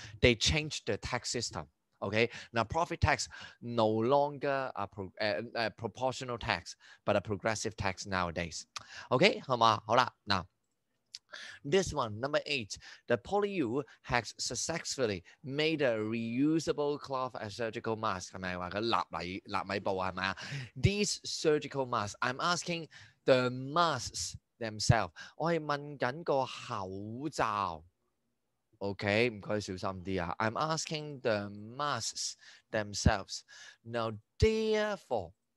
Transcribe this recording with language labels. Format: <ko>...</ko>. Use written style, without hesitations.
<en>They changed the tax system. Okay, now profit tax no longer a proportional tax, but a progressive tax nowadays. Okay,</en> <yue>好嘛？好啦，嗱。</yue> <en>This one, number 8, the PolyU has successfully made a reusable cloth a surgical mask.</en> <yue>是不是說它立米布是不是?</yue> <en>These surgical masks, I'm asking the masks themselves.</en> <yue>我是問緊個口罩。Okay, 麻煩小心一點。</yue> <en>I'm asking the masks themselves. Now, therefore...</en>